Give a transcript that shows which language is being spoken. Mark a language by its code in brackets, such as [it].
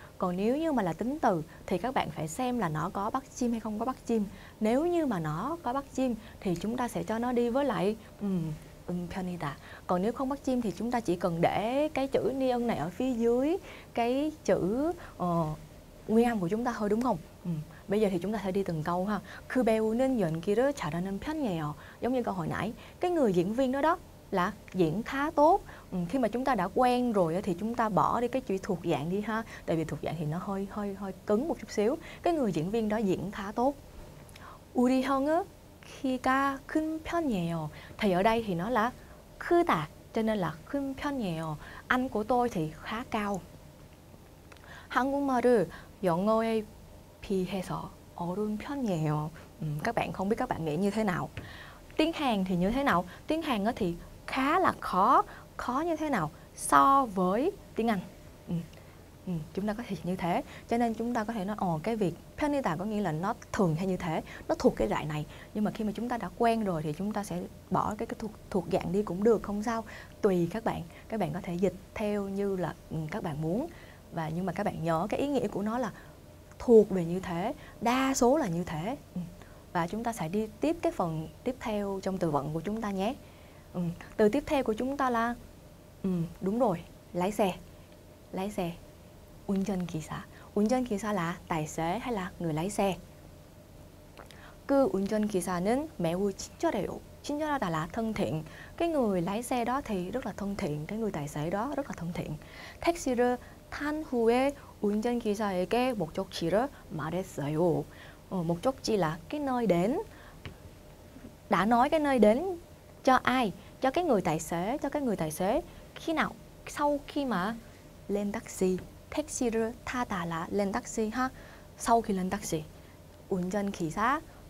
[vi] Còn nếu như mà là tính từ thì các bạn phải xem là nó có bắt chim hay không có bắt chim. Nếu như mà nó có bắt chim thì chúng ta sẽ cho nó đi với lại 편이다. Còn nếu không bắt chim thì chúng ta chỉ cần để cái chữ 니은 này ở phía dưới cái chữ nguyên âm của chúng ta thôi đúng không? Bây giờ thì chúng ta sẽ đi từng câu ha. [ko] 그 배우는 연기를 잘하는 편이에요. [vi] Giống như câu hồi nãy, cái người diễn viên đó đó là diễn khá tốt. Khi mà chúng ta đã quen rồi thì chúng ta bỏ đi cái chữ thuộc dạng đi ha. Tại vì thuộc dạng thì nó hơi cứng một chút xíu. Cái người diễn viên đó diễn khá tốt. [ko] 우리 형은 키가 큰 편이에요. [vi] Thì ở đây thì nó là 크다. Cho nên là [ko] 큰 편이에요. [vi] Anh của tôi thì khá cao. [ko] 한국말을 영어에 비해서 어려운 편이에요. [vi] Các bạn không biết các bạn nghĩ như thế nào? Tiếng Hàn thì như thế nào? Tiếng Hàn thì khá là khó. Khó như thế nào? So với tiếng Anh. Chúng ta có thể như thế. Cho nên chúng ta có thể nói cái việc 편이다 có nghĩa là nó thường hay như thế. Nó thuộc cái loại này. Nhưng mà khi mà chúng ta đã quen rồi thì chúng ta sẽ bỏ cái thuộc dạng đi cũng được, không sao. Tùy các bạn. Các bạn có thể dịch theo như là các bạn muốn. Và nhưng mà các bạn nhớ cái ý nghĩa của nó là thuộc về như thế, đa số là như thế. Và chúng ta sẽ đi tiếp cái phần tiếp theo trong từ vựng của chúng ta nhé. Từ tiếp theo của chúng ta là đúng rồi, lái xe. [ko] 운전기사. [vi] 운전기사 là tài xế hay là người lái xe. [ko] 그 운전기사는 매우 친절해요. [vi] 친절하다 là thân thiện. Cái người lái xe đó thì rất là thân thiện, cái người tài xế đó rất là thân thiện. [ko] 택시를 탄 후에 운전기사에게 목적지를 말했어요. [vi] Mục đích chỉ là cái nơi đến. Đã nói cái nơi đến cho ai? Cho cái người tài xế, khi nào? Sau khi mà lên taxi. [ko] 택시를 타다 [vi] là lên taxi ha. Sau khi lên taxi. 운전기사